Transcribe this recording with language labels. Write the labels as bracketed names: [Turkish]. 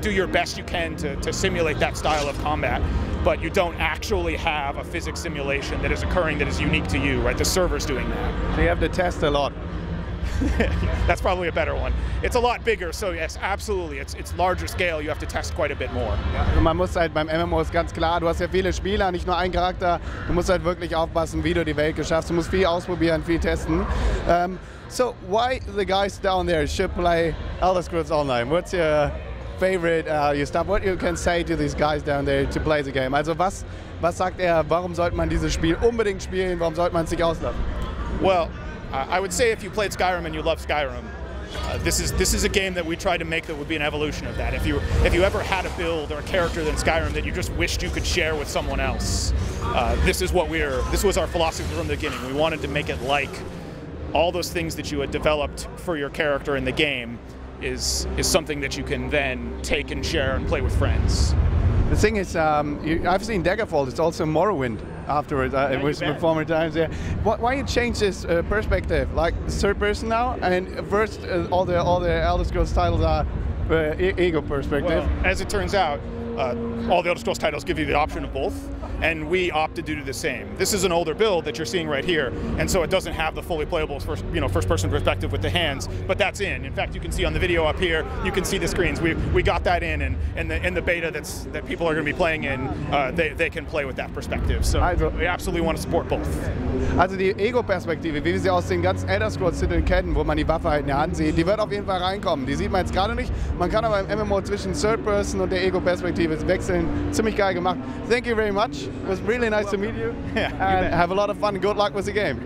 [English] You do your best you can to simulate that style of combat, but you don't actually have a physics simulation that is occurring that is unique to you, right? The server's doing that. So you have to test a lot. That's probably a better one. It's a lot bigger, so yes, absolutely. It's larger scale, you have to test quite a bit more. [German] Ja, man muss halt beim MMO ist ganz klar, du hast ja viele Spieler, nicht nur einen Charakter. Du musst halt wirklich aufpassen, wie du die Welt geschaffst. Du musst viel ausprobieren, viel testen. [English] So why the guys down there should play Elder Scrolls Online? What's your favorite your stuff? What you can say to these guys down there to play the game? [German] Also was sagt er, warum sollte man dieses Spiel unbedingt spielen? Warum sollte man sich auslassen? [English] Well, I would say if you played Skyrim and you love Skyrim, this is a game that we tried to make that would be an evolution of that. If you ever had a build or a character in Skyrim that you just wished you could share with someone else, this was our philosophy from the beginning. We wanted to make it like all those things that you had developed for your character in the game is something that you can then take and share and play with friends. The thing is, I've seen Daggerfall, it's also Morrowind afterwards, yeah, it was in former times. Yeah. Why you change this perspective? Like, third person now, and first all the Elder Scrolls titles are ego perspective. Well, as it turns out, all the Elder Scrolls titles give you the option of both, and we opted to do the same. This is an older build that you're seeing right here, and so it doesn't have the fully playable first-person perspective with the hands, but that's in. In fact, you can see on the video up here, you can see the screens. We got that in, and in the beta that people are going to be playing in, they can play with that perspective. So also, we absolutely want to support both. [German] Also die Ego-Perspektive, wie wir sie aus den ganzen Elder Scrolls-Titeln kennen, wo man die Waffe halt in der Hand sieht, die wird auf jeden Fall reinkommen. Die sieht man jetzt gerade nicht. Man kann aber im MMO zwischen Third-Person und der Ego-Perspektive wechseln. Ziemlich geil gemacht. [English] Thank you very much. It was really nice to meet you. Yeah, and have a lot of fun. Good luck with the game.